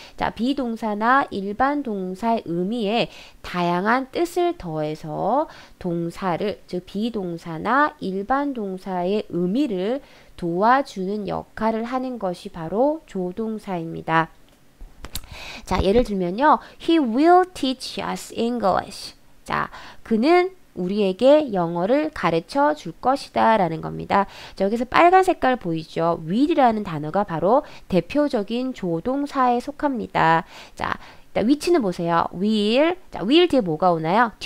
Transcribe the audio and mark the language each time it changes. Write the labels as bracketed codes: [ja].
[ko] 자, 비동사나 일반 동사의 의미에 다양한 뜻을 더해서 동사를, 즉, 비동사나 일반 동사의 의미를 도와주는 역할을 하는 것이 바로 조동사입니다. 자, 예를 들면요. [en] He will teach us English. [ko] 자, 그는 우리에게 영어를 가르쳐 줄 것이다 라는 겁니다. 자, 여기서 빨간 색깔 보이죠? will이라는 단어가 바로 대표적인 조동사에 속합니다. 자, 일단 위치는 보세요. will. 자, will 뒤에 뭐가 오나요?